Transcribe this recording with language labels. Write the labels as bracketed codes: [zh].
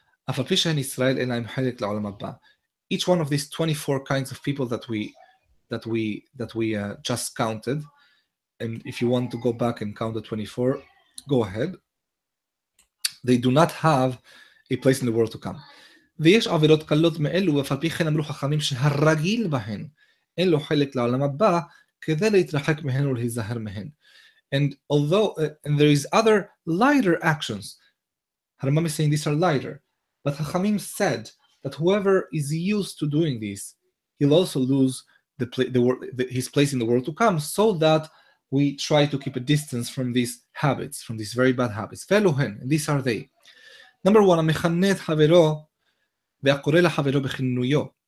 [en] Each one of these 24 kinds of people that we just counted, and if you want to go back and count the 24, go ahead. They do not have a place in the world to come. [he] ויש עבירות קלות מאלו, ואף על פי כן אמרו חכמים שהרגיל בהן אין לו חלק לעולם הבא, כדי להתרחק מהן ולהיזהר מהן. [en] And although and there is other lighter actions, Harambam is saying these are lighter, but Hachamim said that whoever is used to doing this, he'll also lose his place in the world to come, so that we try to keep a distance from these habits, from these very bad habits. Veluhen, and these are they. Number one, [he] המכנת חברו, והקורא לחברו בכינויו.